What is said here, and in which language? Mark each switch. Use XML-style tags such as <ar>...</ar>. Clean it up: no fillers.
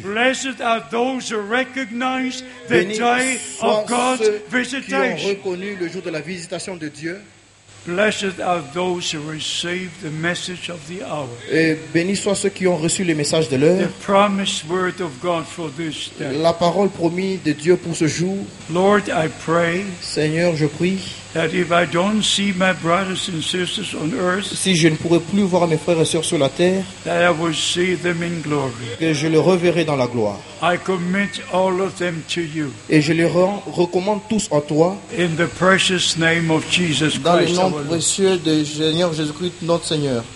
<en>Blessed are those who recognize the day of God's visitation.</en> <fr>Bénis soient ceux qui ont reconnu le jour de la visitation de Dieu.</fr> <en>Blessed are those who receive the message of the hour.</en> <fr>Et bénis soient ceux qui ont reçu les messages de l'heure.</fr> <en>The promised word of God for this day.</en> <fr>La parole promise de Dieu pour ce jour.</fr> <en>Lord, I pray.</en> <fr>Seigneur, je prie.</fr> <en>That if I don't see my brothers and sisters on earth,</en> <fr>si je ne pourrai plus voir mes frères et sœurs sur la terre,</fr> <en>that I will see them in glory.</en> <fr>Que je les reverrai dans la gloire.</fr> <en>I commit all of them to you.</en> <fr>Et je les recommande tous à toi.</fr> <en>In the precious name of Jesus Christ.</en> <fr>Dans le nom précieux de Seigneur Jésus-Christ, notre Seigneur.</fr>